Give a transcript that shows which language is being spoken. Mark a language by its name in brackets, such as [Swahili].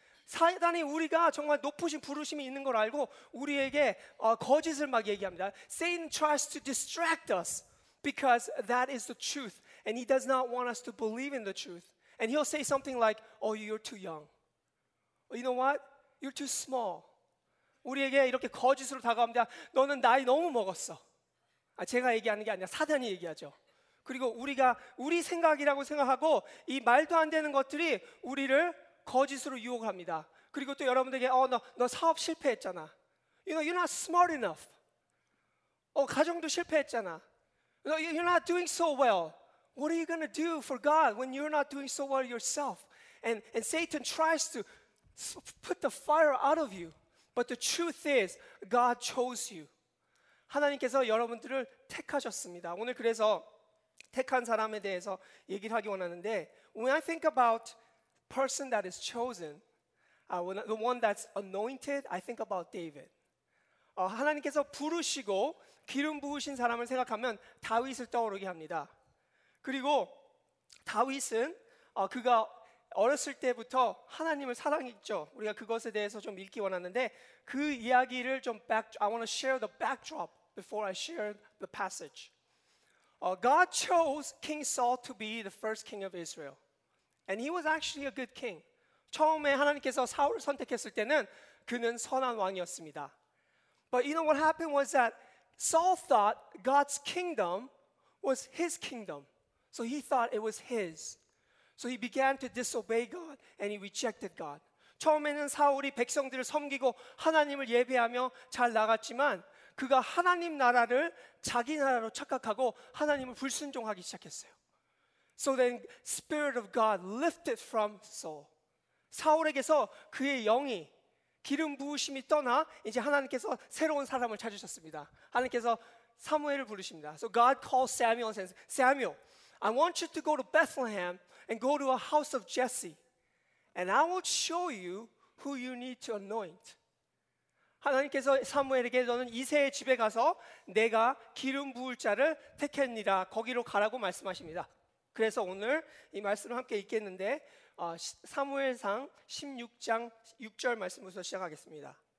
[Korean] 사단이 우리가 정말 높으신 부르심이 있는 걸 알고 우리에게 거짓을 막 얘기합니다. [English] Satan tries to distract us because that is the truth. And he does not want us to believe in the truth. And he'll say something like, oh, you're too young. Or, you know what? You're too small. [Korean] 우리에게 이렇게 거짓으로 다가옵니다. 너는 나이 너무 먹었어. 아, 제가 얘기하는 게 아니라 사단이 얘기하죠. 그리고 우리가 우리 생각이라고 생각하고 이 말도 안 되는 것들이 우리를 거짓으로 유혹합니다. 그리고 또 여러분들에게 너 사업 실패했잖아. [English] You know, you're not smart enough. [Korean] 가정도 실패했잖아. [English] You're not doing so well. What are you going to do for God when you're not doing so well yourself? And Satan tries to put the fire out of you. But the truth is, God chose you. [Korean] 하나님께서 여러분들을 택하셨습니다. 오늘 그래서 택한 사람에 대해서 얘기를 하기 원하는데, [English] when I think about person that is chosen, the one that's anointed, I think about David. [Korean] 하나님께서 부르시고 기름 부으신 사람을 생각하면 다윗을 떠오르게 합니다. 그리고 다윗은 그가 어렸을 때부터 하나님을 사랑했죠. 우리가 그것에 대해서 좀 읽기 원하는데 그 이야기를 좀 [English] I want to share the backdrop before I share the passage. God chose King Saul to be the first king of Israel. And he was actually a good king. [Korean] 처음에 하나님께서 사울을 선택했을 때는 그는 선한 왕이었습니다. [English] But you know what happened was that Saul thought God's kingdom was his kingdom. So he thought it was his. So he began to disobey God and he rejected God. [Korean] 처음에는 사울이 백성들을 섬기고 하나님을 예배하며 잘 나갔지만 그가 하나님 나라를 자기 나라로 착각하고 하나님을 불순종하기 시작했어요. [English] So then Spirit of God lifted from Saul. [Korean] 사울에게서 그의 영이 기름 부으심이 떠나 이제 하나님께서 새로운 사람을 찾으셨습니다. 하나님께서 사무엘을 부르십니다. [English] So God calls Samuel and says, Samuel, I want you to go to Bethlehem and go to a house of Jesse, and I will show you who you need to anoint. [Korean] 하나님께서 사무엘에게 너는 이새의 집에 가서 내가 기름 부을 자를 택했니라 거기로 가라고 말씀하십니다. 그래서 오늘 이 말씀을 함께 읽겠는데 사무엘상 16장 6절 말씀부터 시작하겠습니다.